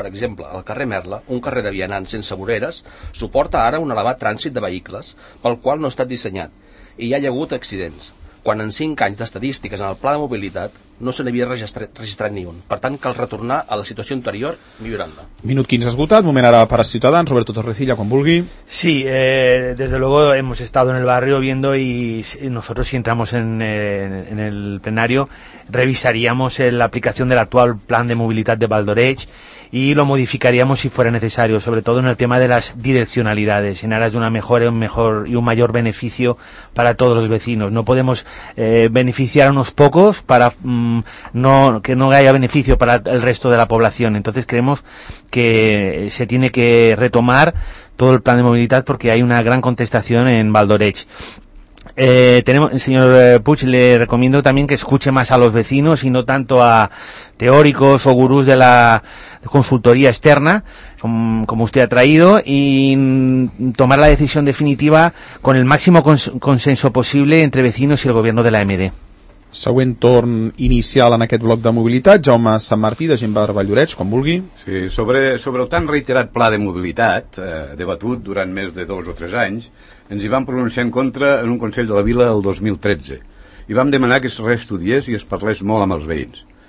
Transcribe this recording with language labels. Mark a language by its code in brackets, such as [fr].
[ca] Per exemple, el carrer Merla, un carrer de vianants sense voreres, suporta ara un elevat trànsit de vehicles, pel qual no ha estat dissenyat, i hi ha hagut accidents, quan en 5 anys d'estadístiques en el pla de mobilitat no se n'havia registrat ni un. Per tant, cal retornar a la situació anterior millorant-la. Minut 15 esgotat, moment ara per a Ciutadans. Roberto Torrecilla, quan vulgui. [es] Sí, desde luego hemos estado en el barrio viendo y nosotros si entramos en el plenario revisaríamos la aplicación del actual plan de movilidad de Vall d'Oreig y lo modificaríamos si fuera necesario, sobre todo en el tema de las direccionalidades, en aras de una mejor y un mayor beneficio para todos los vecinos. No podemos beneficiar a unos pocos para que no haya beneficio para el resto de la población. Entonces creemos que se tiene que retomar todo el plan de movilidad porque hay una gran contestación en Vall d'Oreig. Tenemos, señor Puig, le recomiendo también que escuche más a los vecinos y no tanto a teóricos o gurús de la consultoría externa, como usted ha traído, y tomar la decisión definitiva con el máximo consenso posible entre vecinos y el gobierno de la AMD. [ca] Següent torn inicial en aquest bloc de mobilitat, Jaume Sant Martí, de Gent Bar Vall d'Oreig, quan vulgui. Sí, sobre el tan reiterat pla de mobilitat, debatut durant més de dos o tres anys, ens hi vam pronunciar en contra en un Consell de la Vila el 2013 i vam demanar que es reestudiés i es parlés molt amb els veïns.